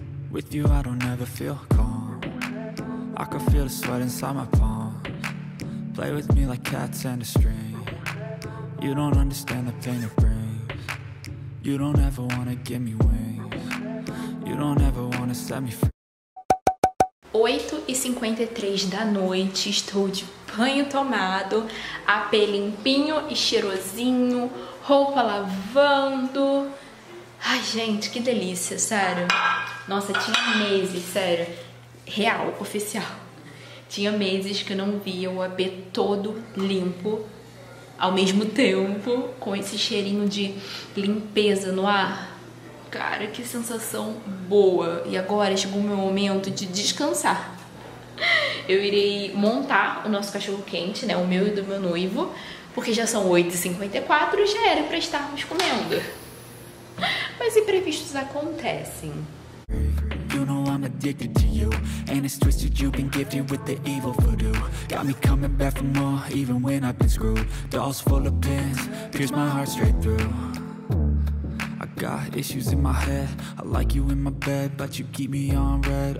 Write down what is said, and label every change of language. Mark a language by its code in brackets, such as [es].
[en] With you, I don't ever feel calm. I can feel the sweat inside my palms. Play with me like cats and a string. You don't understand the pain it brings. You don't ever wanna give me wings. You don't ever wanna set me free. [pt] 8:53 da noite, estou de banho tomado, AP limpinho e cheirosinho, roupa lavando. Ai, gente, que delícia, sério. Nossa, tinha meses, sério. Real, oficial. Tinha meses que eu não via o AP todo limpo ao mesmo tempo, com esse cheirinho de limpeza no ar. Cara, que sensação boa. E agora chegou o meu momento de descansar. Eu irei montar o nosso cachorro quente, né? O meu e do meu noivo. Porque já são 8:54 e já era pra estarmos comendo. Mas imprevistos acontecem. [en] You know I'm addicted to you, and it's twisted, you've been gifted with the evil voodoo. Got me coming back for more, even when I've been screwed. Dolls full of pins, pierce my heart straight through. I got issues in my head, I like you in my bed, but you keep me on red.